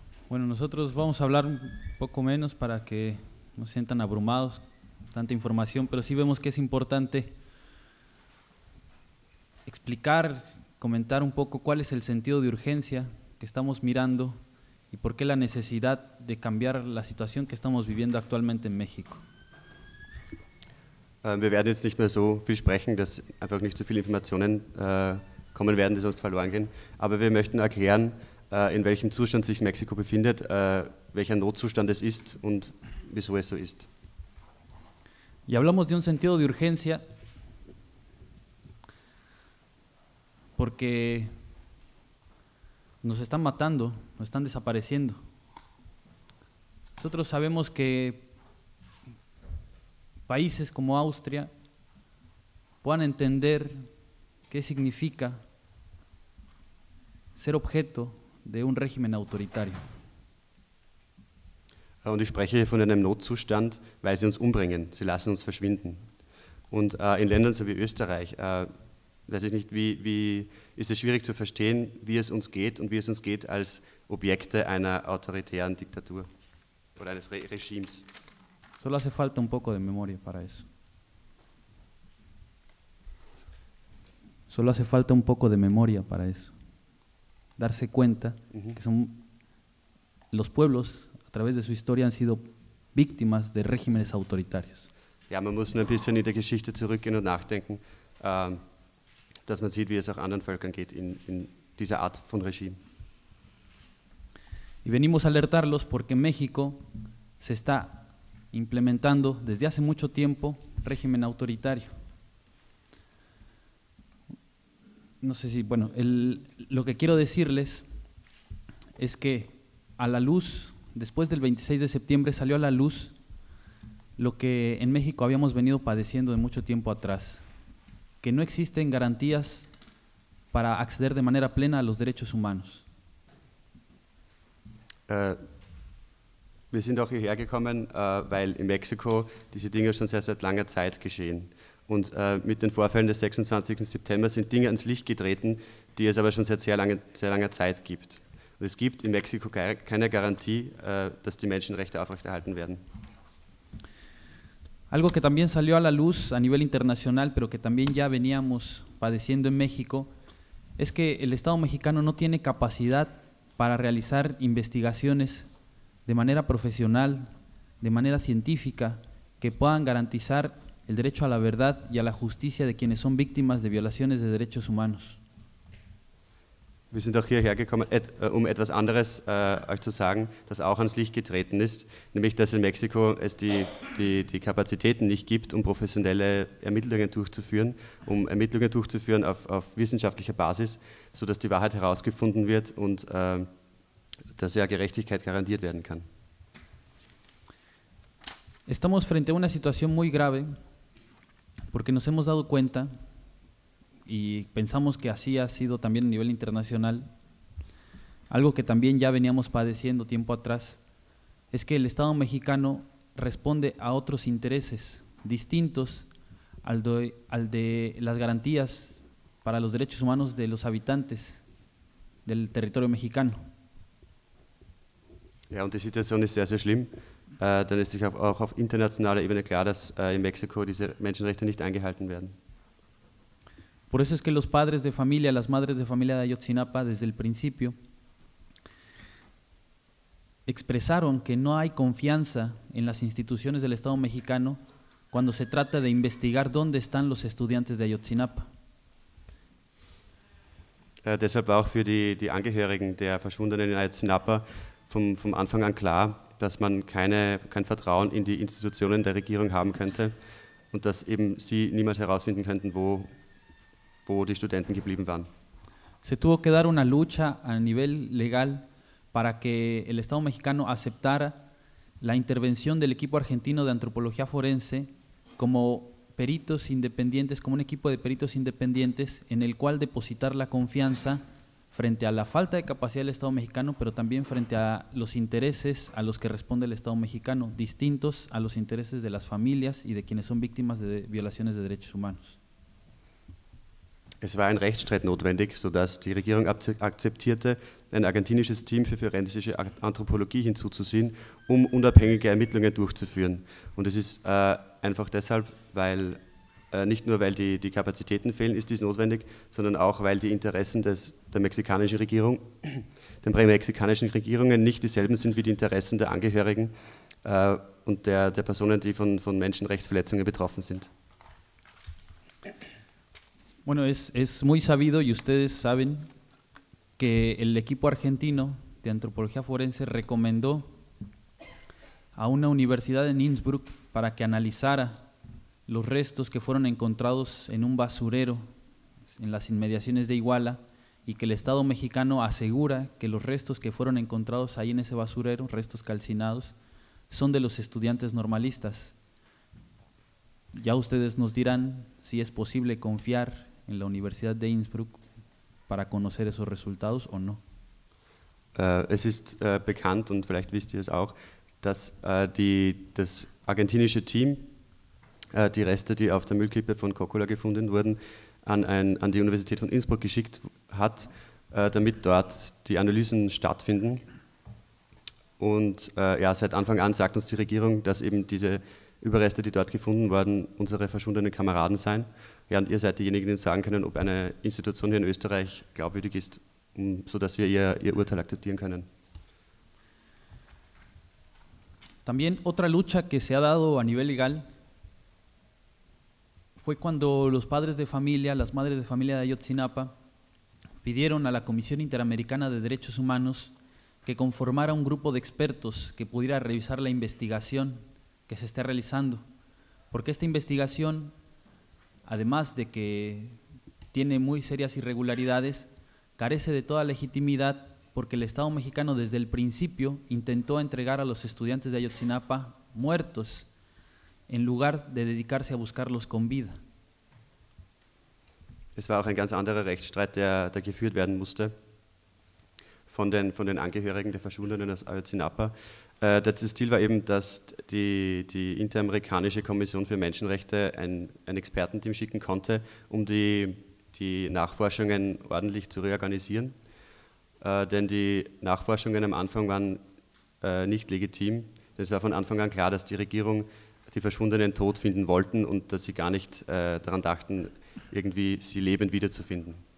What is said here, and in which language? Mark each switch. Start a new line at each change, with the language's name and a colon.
Spanish: Bueno, nosotros vamos a hablar un poco menos para que no se sientan abrumados, tanta información, pero sí vemos que es importante explicar, comentar un poco cuál es el sentido de urgencia que estamos mirando y por qué la necesidad de cambiar la situación que estamos viviendo actualmente en México.
German: Wir werden jetzt nicht mehr so viel sprechen, dass einfach nicht so viele Informationen kommen werden, die sonst verloren gehen, aber wir möchten erklären, in welchem Zustand sich Mexiko befindet, welcher Notzustand es ist und wieso es so ist.
Spanish: Y hablamos de un sentido de urgencia porque nos están matando, nos están desapareciendo. Nosotros sabemos que países como Austria puedan entender qué significa ser objeto de un régimen autoritario.
German: Und ich spreche hier von einem Notzustand, weil sie uns umbringen. Sie lassen uns verschwinden. Und in Ländern so wie Österreich, weiß ich nicht, wie ist es schwierig zu verstehen, wie es uns geht und wie es uns geht als Objekte einer autoritären Diktatur oder eines Regimes.
Spanish: Solo hace falta un poco de memoria para eso. Solo hace falta un poco de memoria para eso. Darse cuenta que son los pueblos a través de su historia han sido víctimas de regímenes autoritarios.
German: Ja, man muss nur ein bisschen in der Geschichte zurückgehen und nachdenken, dass man sieht, wie es auch anderen Völkern geht in dieser Art von Regime.
Spanish: Y venimos a alertarlos porque México se está implementando desde hace mucho tiempo régimen autoritario. No sé si, bueno, lo que quiero decirles es que a la luz, después del 26 de septiembre, salió a la luz lo que en México habíamos venido padeciendo de mucho tiempo atrás, que no existen garantías para acceder de manera plena a los derechos humanos.
German: Wir sind auch hierher gekommen, weil in Mexiko diese Dinge schon seit langer Zeit geschehen. Und mit den Vorfällen des 26. September sind Dinge ans Licht getreten, die es aber schon seit sehr langer Zeit gibt. Und es gibt in Mexiko keine Garantie, dass die Menschenrechte aufrechterhalten werden.
Spanish: Algo que también salió a la luz a nivel internacional, pero que también ya veníamos padeciendo en México, es que el Estado mexicano no tiene capacidad para realizar investigaciones de manera profesional, de manera científica, que puedan garantizar el derecho a la verdad y a la justicia de quienes son víctimas de violaciones de derechos humanos.
German: Wir sind auch hierher gekommen, um etwas anderes euch zu sagen, das auch ans Licht getreten ist, nämlich dass in Mexiko es die Kapazitäten nicht gibt, um professionelle Ermittlungen durchzuführen, auf wissenschaftlicher Basis, sodass die Wahrheit herausgefunden wird und dass ja Gerechtigkeit garantiert werden kann.
Spanish: Estamos frente a una situación muy grave, porque nos hemos dado cuenta y pensamos que así ha sido también a nivel internacional, algo que también ya veníamos padeciendo tiempo atrás, es que el Estado mexicano responde a otros intereses distintos al de las garantías para los derechos humanos de los habitantes del territorio mexicano.
German: Ja, und die Situation ist sehr, sehr schlimm. Dann ist sich auch auf internationaler Ebene klar, dass in Mexiko diese Menschenrechte nicht eingehalten werden.
Spanish: Por eso es que los padres de familia, las madres de familia de Ayotzinapa, desde el principio, expresaron que no hay confianza en las instituciones del Estado mexicano cuando se trata de investigar dónde están los estudiantes de Ayotzinapa.
German: Deshalb war auch für die Angehörigen der Verschwundenen in Ayotzinapa vom Anfang an klar, dass man kein Vertrauen in die Institutionen der Regierung haben könnte und dass eben sie niemals herausfinden könnten, wo die Studenten geblieben waren.
Spanish: Se tuvo que dar una lucha a nivel legal para que el Estado mexicano aceptara la intervención del equipo argentino de antropología forense como peritos independientes, como un equipo de peritos independientes en el cual depositar la confianza frente a la falta de capacidad del Estado mexicano, pero también frente a los intereses a los que responde el Estado mexicano, distintos a los intereses de las familias y de quienes son víctimas de violaciones de derechos humanos.
German: Es war ein Rechtsstreit notwendig, sodass die Regierung akzeptierte, ein argentinisches Team für forensische Anthropologie hinzuzuziehen, um unabhängige Ermittlungen durchzuführen. Und es ist einfach deshalb, weil die Kapazitäten fehlen, ist dies notwendig, sondern auch, weil die Interessen der mexikanischen Regierungen nicht dieselben sind wie die Interessen der Angehörigen und der Personen, die von Menschenrechtsverletzungen betroffen sind.
Spanish: Bueno, es muy sabido y ustedes saben que el equipo argentino de antropología forense recomendó a una universidad en Innsbruck para que analizara los restos que fueron encontrados en un basurero en las inmediaciones de Iguala y que el Estado mexicano asegura que los restos que fueron encontrados ahí en ese basurero, restos calcinados, son de los estudiantes normalistas. Ya ustedes nos dirán si es posible confiar en la Universidad de Innsbruck para conocer esos resultados o no.
German: Es ist bekannt und vielleicht wisst ihr es auch, dass das argentinische Team die Reste, die auf der Müllkippe von Kokkola gefunden wurden, an die Universität von Innsbruck geschickt hat, damit dort die Analysen stattfinden. Und ja, seit Anfang an sagt uns die Regierung, dass eben diese Überreste, die dort gefunden wurden, unsere verschwundenen Kameraden seien. Ja, und ihr seid diejenigen, die sagen können, ob eine Institution hier in Österreich glaubwürdig ist, sodass wir ihr Urteil akzeptieren können.
Spanish: También otra lucha que se ha dado a nivel legal fue cuando los padres de familia, las madres de familia de Ayotzinapa, pidieron a la Comisión Interamericana de Derechos Humanos que conformara un grupo de expertos que pudiera revisar la investigación que se está realizando. Porque esta investigación, además de que tiene muy serias irregularidades, carece de toda legitimidad porque el Estado mexicano desde el principio intentó entregar a los estudiantes de Ayotzinapa muertos en lugar de dedicarse a buscarlos con vida.
German: Es war auch ein ganz anderer Rechtsstreit, der geführt werden musste von den Angehörigen der Verschwundenen aus Ayotzinapa. Das Ziel war eben, dass die Interamerikanische Kommission für Menschenrechte ein Expertenteam schicken konnte, um die Nachforschungen ordentlich zu reorganisieren. Denn die Nachforschungen am Anfang waren nicht legitim. Es war von Anfang an klar, dass die Regierung die Verschwundenen tot finden wollten und dass sie gar nicht daran dachten, irgendwie sie lebend wiederzufinden.